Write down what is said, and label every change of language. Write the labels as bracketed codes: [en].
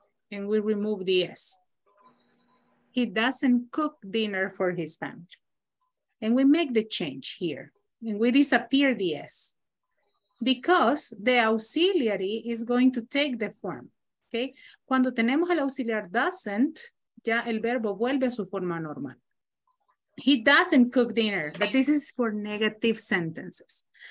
[en] And we remove the S. He doesn't cook dinner for his family. And we make the change here and we disappear the S because the auxiliary is going to take the form, okay? [es] Cuando tenemos el auxiliar doesn't, ya el verbo vuelve a su forma normal. [en] He doesn't cook dinner, but this is for negative sentences.